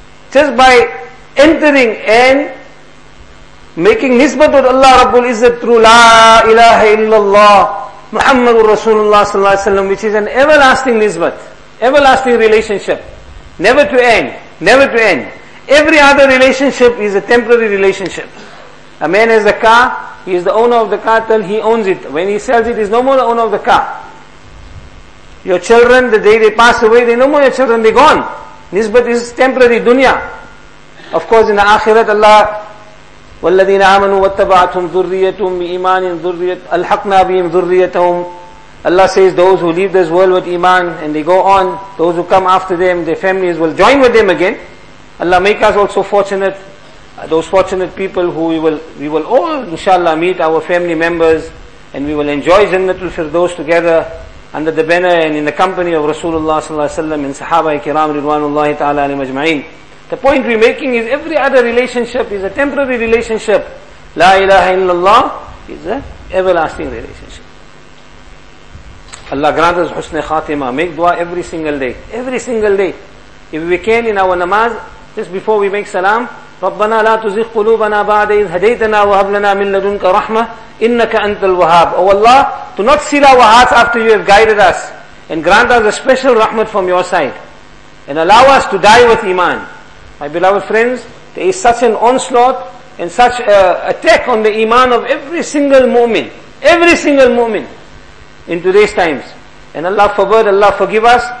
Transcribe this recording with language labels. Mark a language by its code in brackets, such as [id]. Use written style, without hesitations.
[en] Just by entering and making nisbat with Allah Rabbul Izzat through La ilaha illallah Muhammadur Rasulullah sallallahu alaihi wasallam, which is an everlasting nisbat, everlasting relationship, never to end, never to end. Every other relationship is a temporary relationship. A man has a car, he is the owner of the car till he owns it. When he sells it, he is no more the owner of the car. Your children, the day they pass away, they no more your children, they're gone. Nisbat is temporary dunya. Of course, in the Akhirat, Allah, [ar] وَالَّذِينَ آمَنُوا وَاتَّبَعَتْهُمْ ذُرِّيَّتُهُمْ بِإِيمَانٍ ذُرِّيَّتُهُمْ أَلْحَقْنَا بِهِمْ ذُرِّيَّتَهُمْ. [en] Allah says, those who leave this world with iman and they go on, those who come after them, their families will join with them again. Allah make us also fortunate. Those fortunate people who we will all, inshallah, meet our family members and we will enjoy Jannatul Firdaus together under the banner and in the company of Rasulullah sallallahu alaihi wasallam and Sahaba ikram ridwanullahi ta'ala alayhim ajma'in. The point we're making is every other relationship is a temporary relationship. La ilaha illallah is an everlasting relationship. Allah grant us husn khatima. Make dua every single day. Every single day. If we can in our namaz, just before we make salam, [ar] رَبَّنَا لَا تُزِغْ قُلُوبَنَا بَعْدَ إِذْ هَدَيْتَنَا وَهَبْ لَنَا مِنْ لَدُنْكَ رَحْمَةً إِنَّكَ أَنْتَ الْوَهَابُ. [en] Oh Allah, do not seal our hearts after you have guided us and grant us a special rahmat from your side and allow us to die with iman. My beloved friends, there is such an onslaught and such an attack on the iman of every single mu'min. Every single mu'min in today's times. And Allah forbid, Allah forgive us.